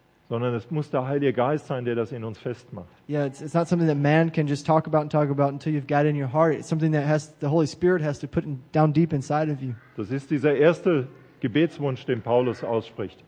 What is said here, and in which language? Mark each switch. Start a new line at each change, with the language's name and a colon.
German: Sondern es muss der Heilige Geist sein, der das in uns festmacht.
English: Yeah, it's not something that man can just talk about until you've got it in your heart. It's something that the Holy Spirit has to put down deep inside of you.
German: Das ist dieser erste Gebetswunsch, den Paulus ausspricht.